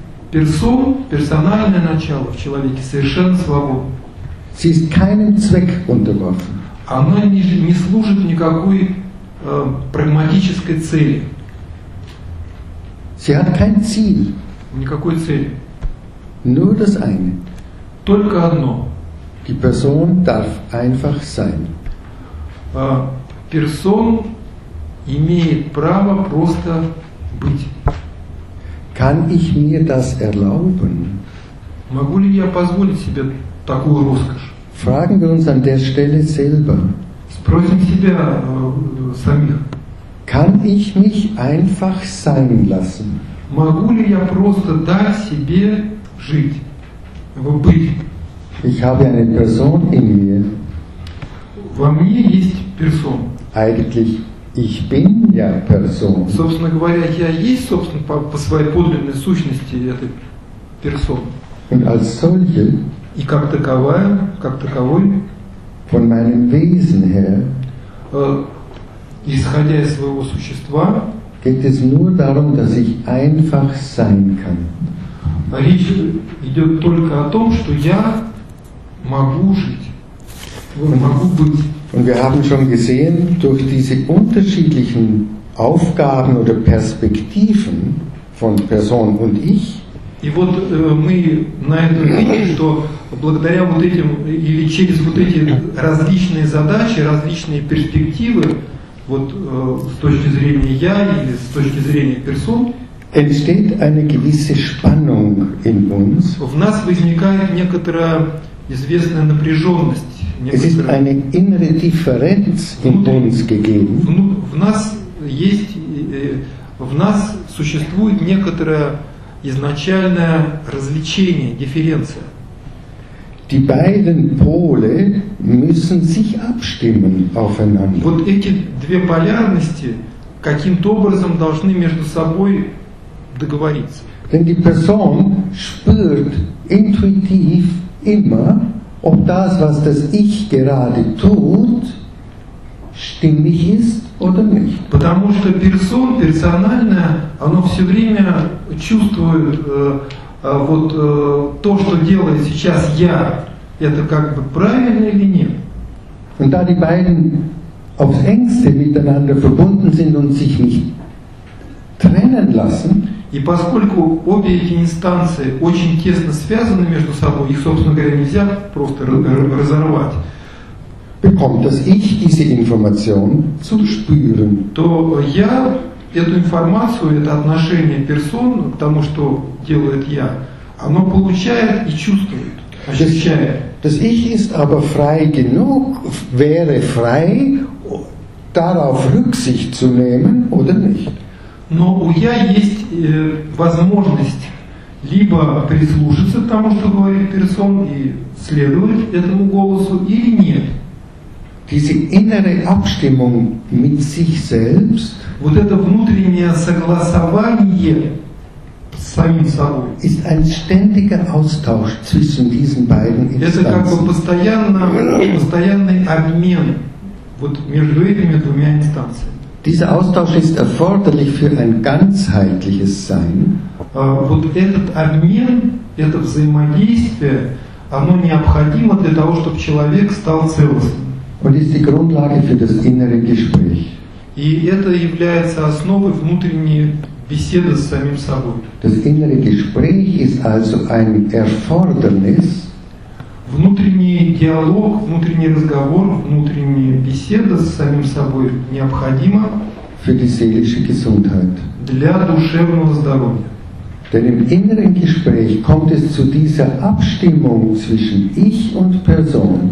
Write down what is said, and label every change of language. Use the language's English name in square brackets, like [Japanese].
[Russian] Персональное начало в человеке совершенно свободно. [German] Sie ist keinem Zweck unterworfen. [Russian] Оно не служит никакой прагматической цели. [German] Sie hat kein Ziel. [Russian] Никакой цели. [German] Nur das eine. [Russian] Только одно. [German] Die Person darf einfach sein. [Russian] Персон имеет право просто быть. [German] Kann ich mir das erlauben? [Russian] Могу ли я позволить себе такую роскошь? [German] Fragen wir uns an der Stelle selber. [Russian] Спросим себя самих. [German] Kann ich mich einfach sein lassen? [Russian] Могу ли я просто дать себе жить, быть? [German] Ich habe eine Person in mir. [Russian] Во мне есть персон. [German] Eigentlich ich bin ja Person. [Russian] Собственно говоря, я есть, собственно, по своей подлинной сущности этой персон. [German] Und als solche, [Russian] и как таковая, как таковой, [German] von meinem Wesen her, [Russian] исходя из своего существа, [German] geht es nur darum, dass ich einfach sein kann. [Russian] Речь идет только о том, что я могу жить. [German] Und wir haben schon gesehen, durch diese unterschiedlichen Aufgaben oder Perspektiven von Person und Ich. [Russian] И вот мы на этом видим, что благодаря вот этим или через вот эти различные задачи, различные перспективы, вот с точки зрения я или с точки зрения персон, [German] entsteht eine gewisse Spannung in uns. [Russian] В нас возникает некоторая известная напряженность. [German] Es ist eine innere Differenz in uns gegeben. [Russian] В нас существует некоторое изначальное различение, дифференция. [German] Die beiden Pole müssen sich abstimmen aufeinander. [Russian] Вот эти две полярности каким-то образом должны между собой договориться. [German] Denn die Person spürt intuitiv immer, ob das, was das Ich gerade tut, stimmig ist oder nicht. [Russian] Потому что персон, персональное, оно все время чувствует вот то, что делает сейчас я, это как бы правильно или нет. [German] Und da die beiden aufs engste miteinander verbunden sind und sich nicht trennen lassen. [Russian] И поскольку обе эти инстанции очень тесно связаны между собой, их, собственно говоря, нельзя просто разорвать, [German] bekommt das Ich diese Information zu spüren. [Russian] То я эту информацию, это отношение персон к тому, что делает я, оно получает и чувствует, ощущает. [German] Das Ich ist aber frei genug, wäre frei, darauf Rücksicht zu nehmen oder nicht. [Russian] Но у я есть возможность либо прислушаться к тому, что говорит персон, и следовать этому голосу, или нет. [German] Diese innere Abstimmung mit sich selbst, [Russian] вот это внутреннее согласование с самим собой, [German] ist ein ständiger Austausch zwischen diesen beiden Instanzen. [Russian] Это как бы постоянный обмен вот между этими двумя инстанциями. [German] Dieser Austausch ist erforderlich für ein ganzheitliches Sein. [Russian] Вот этот обмен, это взаимодействие, оно необходимо для того, чтобы человек стал целостным. [German] Und ist die Grundlage für das innere Gespräch. [Russian] И это является основой внутренней беседы с самим собой. [German] Das innere Gespräch ist also ein Erfordernis. [Russian] Внутренний диалог, внутренний разговор, внутренняя беседа с самим собой необходима [German] für die seelische Gesundheit. [Russian] Для душевного здоровья. [German] Denn im inneren Gespräch kommt es zu dieser Abstimmung zwischen Ich und Person.